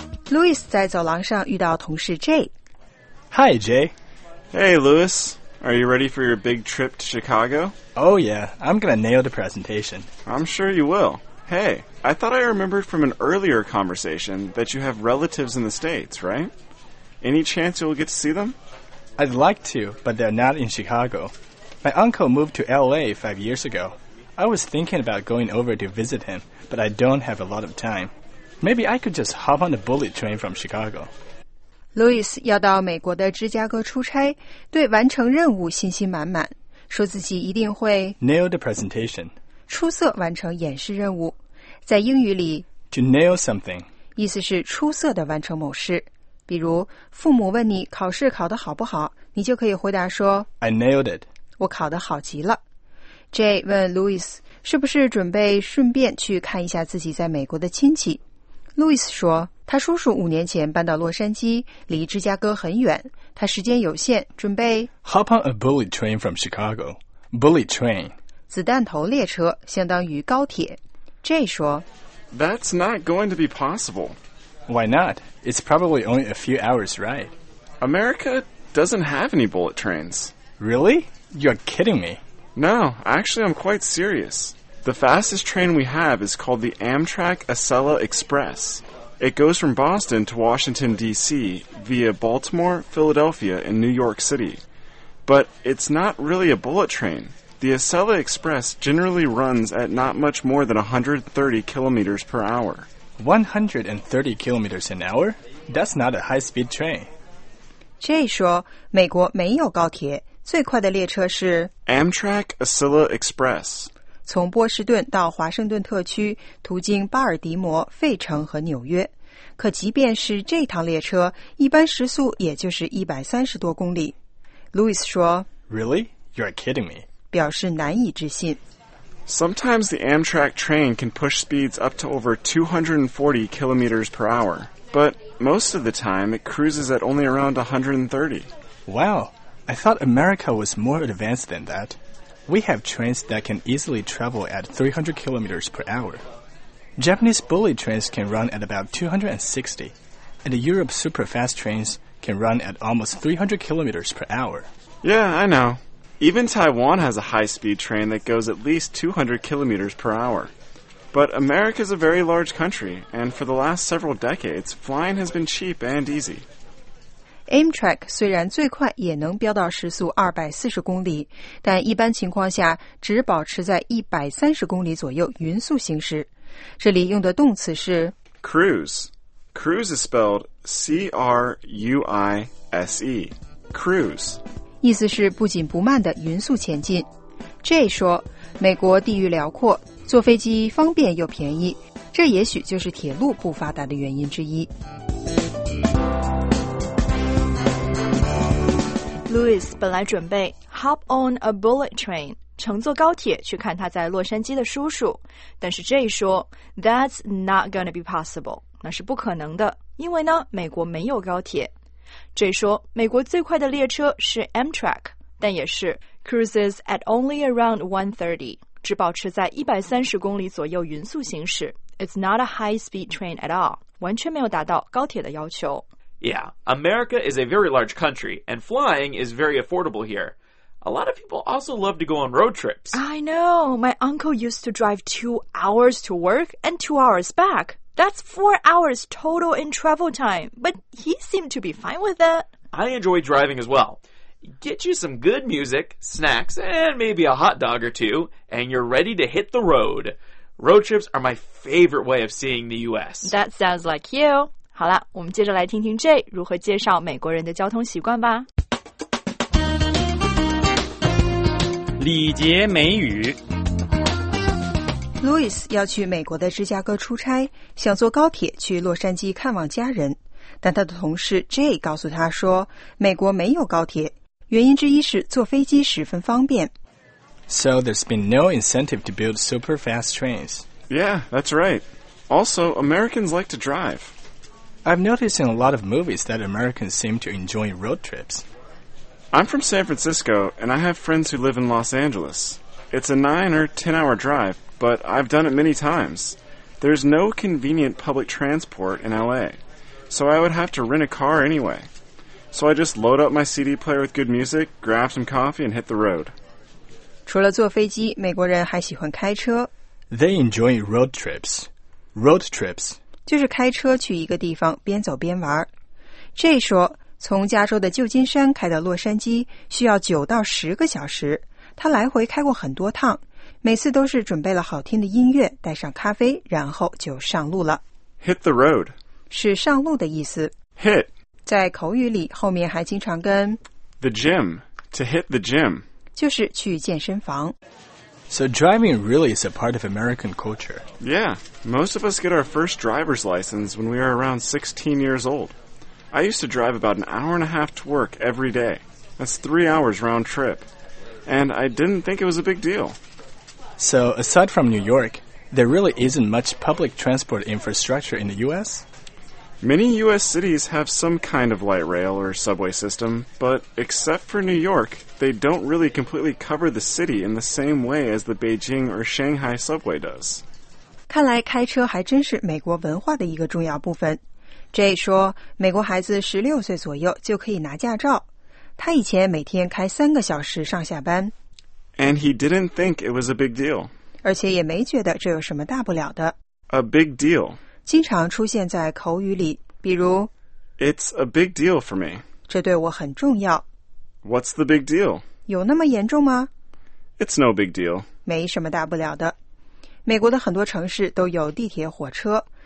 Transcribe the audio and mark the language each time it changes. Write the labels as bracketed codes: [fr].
[zh] Louis 在走廊上遇到同事 Jay。 [en] Hi, Jay. Hey, Louis. Are you ready for your big trip to Chicago? Oh, yeah. I'm going to nail the presentation. I'm sure you will. Hey, I thought I remembered from an earlier conversation that you have relatives in the States, right? Any chance you'll get to see them? I'd like to, but they're not in Chicago. My uncle moved to L.A. 5 years ago. I was thinking about going over to visit him, but I don't have a lot of time. Maybe I could just hop on the bullet train from Chicago. [zh] Louis 要到美国的芝加哥出差，对完成任务信心满满，说自己一定会 [en] nail the presentation， [zh] 出色完成演示任务。在英语里 [en] to nail something [zh] 意思是出色的完成某事，比如父母问你考试考得好不好，你就可以回答说 [en] I nailed it， [zh] 我考得好极了。 Jay 问 Louis 是不是准备顺便去看一下自己在美国的亲戚。 Louis 说他叔叔五年前搬到洛杉矶，离芝加哥很远，他时间有限，准备 [en] Hop on a bullet train from Chicago. Bullet train. [zh] 子弹头列车相当于高铁。 Jay 说 [en] That's not going to be possible. Why not? It's probably only a few hours ride. America doesn't have any bullet trains. Really? You're kidding me. No, actually I'm quite serious. The fastest train we have is called the Amtrak Acela Express. It goes from Boston to Washington, D.C. via Baltimore, Philadelphia, and New York City. But it's not really a bullet train. The Acela Express generally runs at not much more than 130 kilometers per hour. 130 kilometers an hour? That's not a high-speed train. [zh] Jay 说美国没有高铁，最快的列车是 [en] Amtrak Acela Express。 [zh] 从波士顿到华盛顿特区，途经巴尔的摩、费城和纽约。可即便是这趟列车，一般时速也就是130多公里。 Louis 说 [en] Really? You're kidding me. [zh] 表示难以置信。 [en] Sometimes the Amtrak train can push speeds up to over 240 kilometers per hour, but most of the time it cruises at only around 130. Wow, I thought America was more advanced than that. We have trains that can easily travel at 300 kilometers per hour. Japanese bullet trains can run at about 260, and Europe's superfast trains can run at almost 300 kilometers per hour. Yeah, I know. Even Taiwan has a high-speed train that goes at least 200 kilometers per hour. But America is a very large country, and for the last several decades, flying has been cheap and easy. [zh] Amtrak 虽然最快也能飙到时速240公里，但一般情况下只保持在130公里左右匀速行驶。这里用的动词是 [en] Cruise. Cruise is spelled C-R-U-I-S-E. Cruise. [zh] 意思是不紧不慢的匀速前进。Jay 说美国地域辽阔，坐飞机方便又便宜，这也许就是铁路不发达的原因之一。 Louis 本来准备 [en] hop on a bullet train [zh] 乘坐高铁去看他在洛杉矶的叔叔，但是 Jay 说 [en] That's not gonna be possible， [zh] 那是不可能的，因为呢美国没有高铁。 Jay 说美国最快的列车是 Amtrak， 但也是 [en] cruises at only around 130， [zh] 只保持在130公里左右匀速行驶。 [en] It's not a high speed train at all， [zh] 完全没有达到高铁的要求。 [en] Yeah， America is a very large country and flying is very affordable here. A lot of people also love to go on road trips. I know. My uncle used to drive 2 hours to work and 2 hours backThat's 4 hours total in travel time, but he seemed to be fine with it. I enjoy driving as well. Get you some good music, snacks, and maybe a hot dog or two, and you're ready to hit the road. Road trips are my favorite way of seeing the U.S. That sounds like you. [zh] 好了，我们接着来听听 Jay 如何介绍美国人的交通习惯吧。礼节美语。 Louis 要去美国的芝加哥出差，想坐高铁去洛杉矶看望家人，但他的同事 Jay 告诉他说美国没有高铁，原因之一是坐飞机十分方便。 [en] So there's been no incentive to build super fast trains. Yeah, that's right. Also, Americans like to drive. I've noticed in a lot of movies that Americans seem to enjoy road trips. I'm from San Francisco and I have friends who live in Los Angeles. It's a 9 or 10 hour driveBut I've done it many times. There's no convenient public transport in LA, so I would have to rent a car anyway. So I just load up my CD player with good music, grab some coffee, and hit the road. [zh] 除了坐飞机，美国人还喜欢开车。 [en] They enjoy road trips. Road trips. [zh] 就是开车去一个地方，边走边玩。 Jay 说，从加州的旧金山开到洛杉矶需要9到10个小时。他来回开过很多趟。每次都是准备了好听的音乐，带上咖啡，然后就上路了。 [en] Hit the road [zh] 是上路的意思。 [en] Hit [zh] 在口语里后面还经常跟 [en] the gym to hit the gym [zh] 就是去健身房。 [en] So driving really is a part of American culture. Yeah, most of us get our first driver's license when we are around 16 years old. I used to drive about an hour and a half to work every day. That's 3 hours round trip, and I didn't think it was a big deal. So, aside from New York, there really isn't much public transport infrastructure in the U.S.? Many U.S. cities have some kind of light rail or subway system, but except for New York, they don't really completely cover the city in the same way as the Beijing or Shanghai subway does. [zh] 看来开车还真是美国文化的一个重要部分。 Jay 说，美国孩子16岁左右就可以拿驾照。他以前每天开3个小时上下班。 [en] And he didn't think it was a big deal. [zh] 而且也没觉得这有什么大不了的。 [en] A big deal. [zh] 经常出现在口语里，比如 [en] It's a big deal for me. [zh] 这对我很重要。 [en] What's the big deal? [zh] 有那么严重吗？ [en] It's no big deal. [zh] 没什么大不了的。美国的很多城市都有地铁、火车，